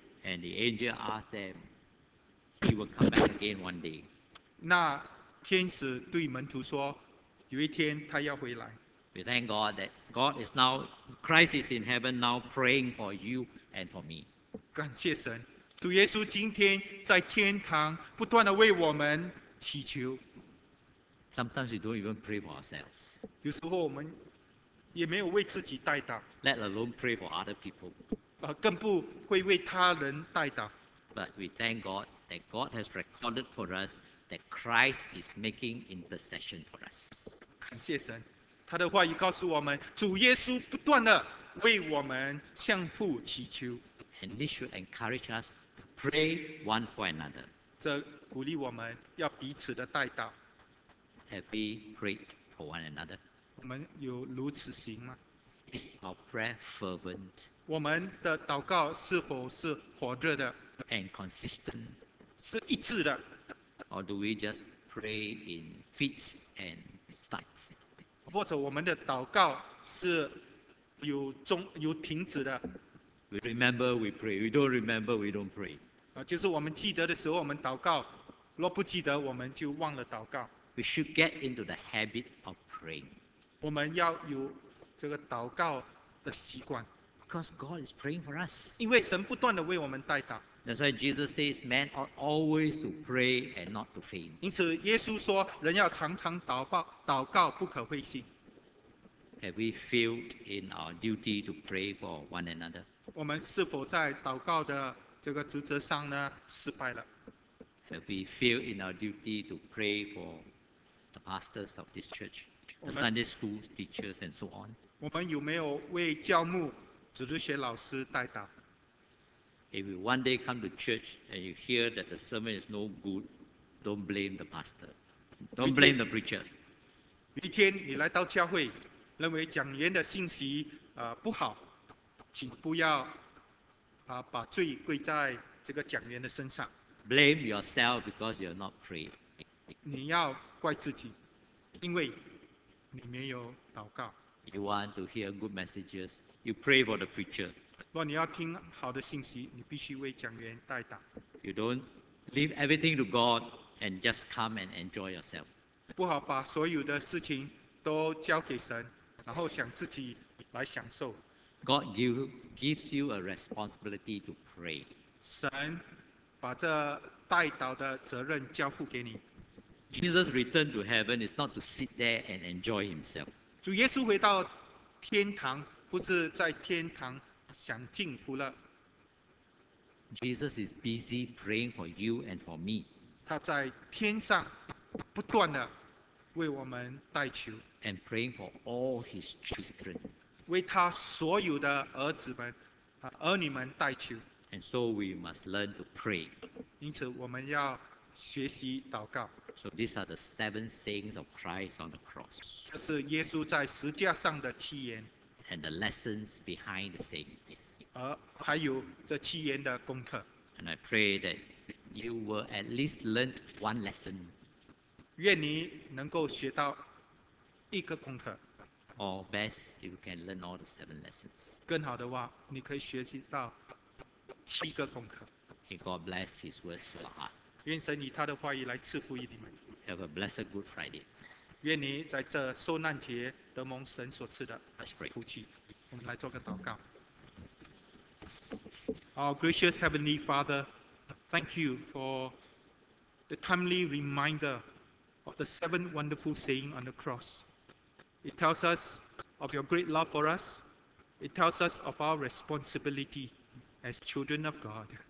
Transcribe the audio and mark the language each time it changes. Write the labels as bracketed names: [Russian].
[English] And the angel asked them, "He will come back again one day." [Chinese] 那天使对门徒说，有一天他要回来。 [English] We thank God that God is now Christ is in heaven now praying for you and for me. [Chinese] 感谢神，主耶稣今天在天堂不断的为我们祈求。 [English] Sometimes we don't even pray for ourselves. [Chinese] 有时候我们也没有为自己代祷 [English] ，Let alone pray for other people， [Chinese] 更不会为他人代祷。 [English] But we thank God that God has recorded for us that Christ is making intercession for us。 [Chinese] 感谢神，他的话语告诉我们，主耶稣不断的为我们向父祈求。 [English] And this should encourage us to pray one for another。 [Chinese] 这鼓励我们要彼此的代祷。 [English] Have we prayed for one another？ [Chinese] 我们有如此行吗？ [English] Is our prayer fervent? [Chinese] 我们的祷告是否是火热的？ [English] And consistent? [Chinese] 是一致的？ [English] Or do we just pray in fits and starts? [Chinese] 或者我们的祷告是有中有停止的？ [English] We remember we pray. We don't remember we don't pray. [Chinese] 就是我们记得的时候我们祷告，若不记得我们就忘了祷告。 [English] We should get into the habit of praying. [Chinese] 我们要有这个祷告的习惯 [English] ，because God is praying for us. [Chinese] 因为神不断的为我们代祷。 [English] That's why Jesus says, "Man ought always to pray and not to faint." [Chinese] 因此，耶稣说，人要常常祷告，祷告不可灰心。 [English] Have we failed in our duty to pray for one another? [Chinese] 我们是否在祷告的这个职责上呢失败了 [English] ？Have we failed in our duty to pray for the pastors of this church? The Sunday school teachers and so on. [Chinese] 我们有没有为教牧、主日学老师代祷 [English] ？If you one day come to church and you hear that the sermon is no good, don't blame the pastor. Don't blame the preacher. [Chinese] 有一天你来到教会，认为讲员的信息不好，请不要把罪归在这个讲员的身上。 [English] Blame yourself because you're not praying. [Chinese] 你要怪自己，因为你没有祷告。 [English] You want to hear good messages. You pray for the preacher. [Chinese] 若你要听好的信息，你必须为讲员代祷。 [English] You don't leave everything to God and just come and enjoy yourself. [Chinese] 不好把所有的事情都交给神，然后想自己来享受。 [English] God gives you a responsibility to pray. [Chinese] 神把这代祷的责任交付给你。 [English] Jesus returned to heaven is not to sit there and enjoy himself. [Chinese] 主耶稣回到天堂，不是在天堂享尽福乐。 [English] Jesus is busy praying for you and for me. [Chinese] 他在天上不断的为我们代求。 [English] And praying for all his children. [Chinese] 为他所有的儿子们、儿女们代求。 [English] And so we must learn to pray. [Chinese] 因此我们要学习祷告。 [English] So these are the seven sayings of Christ on the cross. [Chinese] 这是耶稣在十字架上的七言。 [English] And the lessons behind the sayings. [Chinese] 还有这七言的功课。 [English] And I pray that you will at least learn one lesson. [Chinese] 愿你能够学到一个功课。 [English] Or best, you can learn all the seven lessons. [Chinese] 更好的话，你可以学习到七个功课。 [English] May God bless His words to your heart. [Chinese] 愿神以他的话语来赐福于你们。 [English] Have a blessed Good Friday. [Chinese] 愿你在这受难节得蒙神所赐的福气。我们来做个祷告。 [English] Our gracious Heavenly Father, thank you for the timely reminder of the seven wonderful sayings on the cross. It tells us of your great love for us. It tells us of our responsibility as children of God.